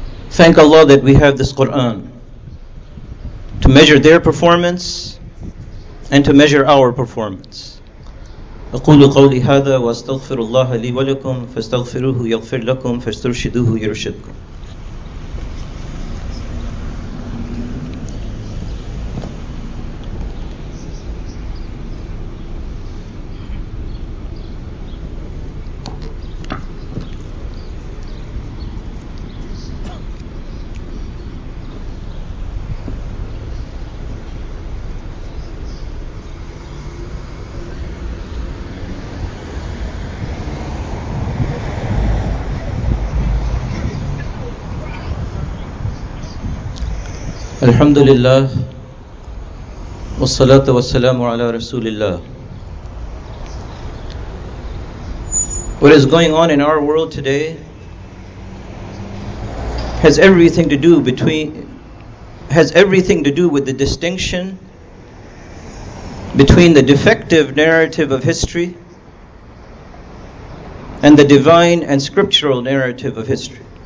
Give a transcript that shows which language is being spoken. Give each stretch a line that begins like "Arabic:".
English: Thank Allah that we have this Quran to measure their performance and to measure our performance.
Arabic: أقول قولي هذا واستغفر الله لي ولكم فاستغفروه يغفر لكم فاسترشدوه يرشدكم. الحمد لله والصلاة والسلام على رسول الله.
English: What is going on in our world today has everything to do with the distinction between the defective narrative of history and the divine and scriptural narrative of history.